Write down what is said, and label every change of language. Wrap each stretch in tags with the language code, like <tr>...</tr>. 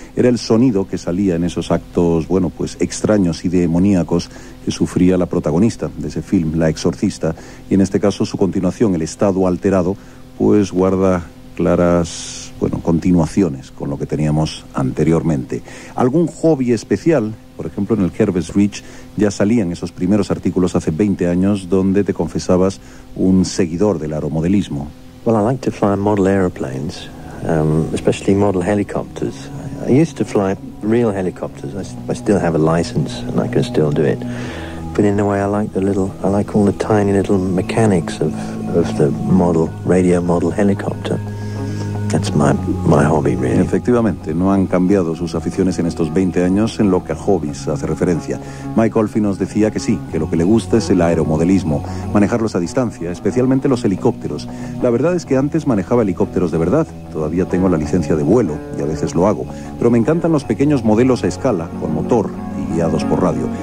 <es>Era el sonido que salía en esos actos, bueno, pues extraños y demoníacos que sufría la protagonista de ese film, La Exorcista, y en este caso su continuación, El Estado Alterado, pues guarda claras, bueno, continuaciones con lo que teníamos anteriormente. ¿Algún hobby especial? Por ejemplo, en el Herbert's Reach ya salían esos primeros artículos hace 20 años donde te confesabas un seguidor del aeromodelismo.</es> <en>Well, I like to fly model aeroplanes, especially model helicopters. I used to fly real helicopters. I still have a license and I can still do it. But in a way, I like all the tiny little mechanics of the model, radio model helicopter. That's my hobby, really.</en> <es>Efectivamente, no han cambiado sus aficiones en estos 20 años en lo que a hobbies hace referencia. Mike Oldfield nos decía que sí, que lo que le gusta es el aeromodelismo, manejarlos a distancia, especialmente los helicópteros. La verdad es que antes manejaba helicópteros de verdad, todavía tengo la licencia de vuelo y a veces lo hago, pero me encantan los pequeños modelos a escala, con motor y guiados por radio.</es>